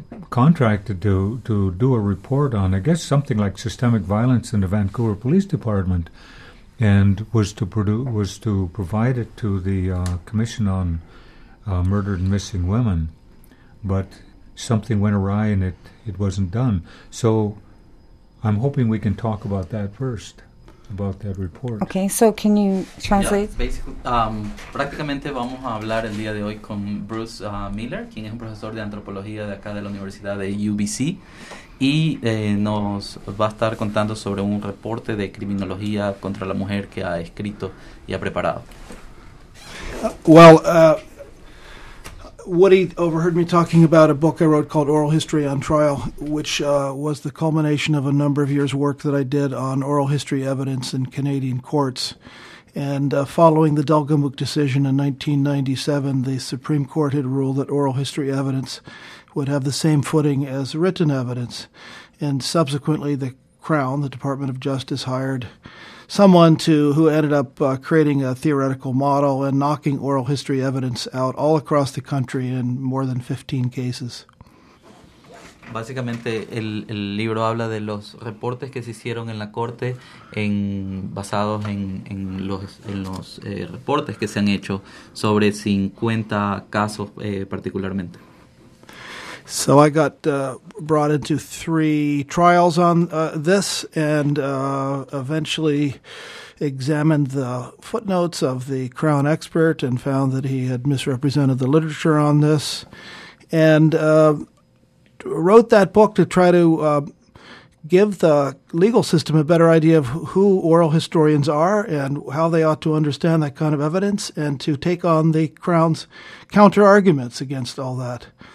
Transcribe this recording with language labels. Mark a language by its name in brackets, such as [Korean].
[English] contracted to do a report on, I guess, something like systemic violence in the Vancouver Police Department, and was to provide it to the Commission on Murdered and Missing Women, but something went awry and it wasn't done. So I'm hoping we can talk about that first, about that report. Okay, so can you translate? Yeah, basically, [Spanish] prácticamente vamos a hablar el día de hoy con Bruce Miller, quien es un profesor de antropología de acá de la Universidad de UBC, y nos va a estar contando sobre un reporte de criminología contra la mujer que ha escrito y ha preparado. [English] Woody overheard me talking about a book I wrote called Oral History on Trial, which was the culmination of a number of years' work that I did on oral history evidence in Canadian courts. And following the Dalgamuk decision in 1997, the Supreme Court had ruled that oral history evidence would have the same footing as written evidence. And subsequently, the Crown, the Department of Justice, hired someone who ended up creating a theoretical model and knocking oral history evidence out all across the country in more than 15 cases. [Spanish] Básicamente, el libro habla de los reportes que se hicieron en la corte basados en los reportes que se han hecho sobre 50 casos particularmente. [English] So I got brought into three trials on this and eventually examined the footnotes of the Crown expert and found that he had misrepresented the literature on this and wrote that book to try to give the legal system a better idea of who oral historians are and how they ought to understand that kind of evidence and to take on the Crown's counterarguments against all that.